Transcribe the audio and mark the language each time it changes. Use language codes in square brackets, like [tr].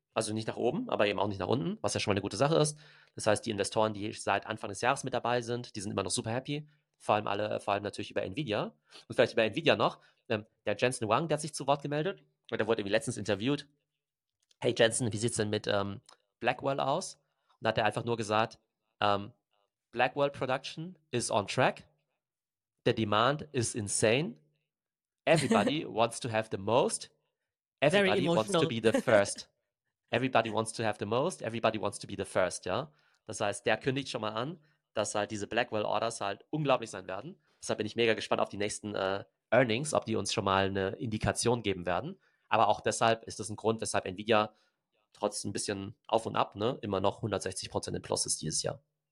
[de] Also nicht nach oben, aber eben auch nicht nach unten, was ja schon mal eine gute Sache ist. Das heißt, die Investoren, die seit Anfang des Jahres mit dabei sind, die sind immer noch super happy. Vor allem natürlich über Nvidia. Und vielleicht über Nvidia noch. Der Jensen Huang, der hat sich zu Wort gemeldet. Und der wurde irgendwie letztens interviewt. Hey Jensen, wie sieht's denn mit Blackwell aus? Und da hat er einfach nur gesagt, [en] Black World Production is on track. The demand is insane. Everybody wants to have the most. Everybody wants to be the first. Everybody wants to have the most. Everybody wants to be the first, ja. [de] Das heißt, der kündigt schon mal an, dass halt diese Blackwell Orders halt unglaublich sein werden. Deshalb bin ich mega gespannt auf die nächsten Earnings, ob die uns schon mal eine Indikation geben werden. Aber auch deshalb ist das ein Grund, weshalb Nvidia trotz ein bisschen auf und ab, ne, immer noch 160% im Plus ist dieses Jahr.